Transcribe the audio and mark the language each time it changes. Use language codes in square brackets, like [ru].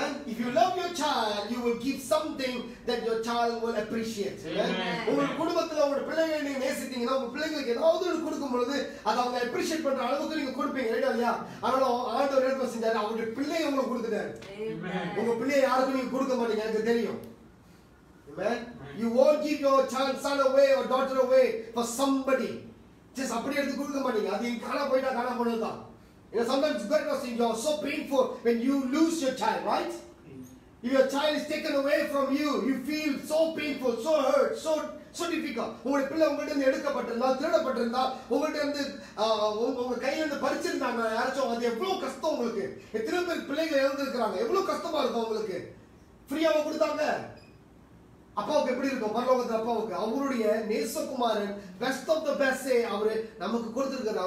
[en] If you love your child, you will give something that your child will appreciate. [ta] உங்கள் குடும்பத்தில் உங்கள் பிள்ளைகளை நீங்க நேசித்தீங்கன்னா உங்க பிள்ளைகளுக்கு ஏதாவது ஒன்று கொடுக்கும் பொழுது அதை அவங்க அப்ரிஷியேட் பண்ற அளவுக்கு நீங்க கொடுப்பீங்க, ரைட்டா இல்லையா? ஆனாலும் ஆண்டவர் என்ன செஞ்சாரு, அவங்களுடைய பிள்ளையை உங்களுக்கு கொடுத்துட்டாரு. உங்க பிள்ளையை யாருக்கும் நீங்க கொடுக்க மாட்டீங்க, எனக்கு தெரியும். [en] Amen. You won't give your child, son away or daughter away for somebody. [ta] Just அப்படியே எடுத்து கொடுக்க மாட்டீங்க. அது இங்க காணாம போயிட்டா காணாம போனதுதான். [en] You know, sometimes God knows you are so painful when you lose your child, right? Mm-hmm. If your child is taken away from you, you feel so painful, so hurt, so difficult. [ta] உங்கள் பிள்ளை உங்கள்கிட்ட எடுக்கப்பட்டிருந்தா, திருடப்பட்டிருந்தா, உங்கள்கிட்ட கையிலிருந்து பறிச்சிருந்தாங்க யாராச்சும், அது எவ்வளவு கஷ்டம் உங்களுக்கு. எத்தனை பேர் பிள்ளைகள் இழந்திருக்கிறாங்க, எவ்வளவு கஷ்டமா இருக்கும் உங்களுக்கு. ஃப்ரீயாவை கொடுத்தாங்க, அப்பாவுக்கு எப்படி இருக்கும் பரலோகத்தில் அப்பாவுக்கு? அவருடைய நேசகுமாரன், பெஸ்ட் ஆஃப் த பெஸ்டே அவரு நமக்கு கொடுத்துருக்காரு.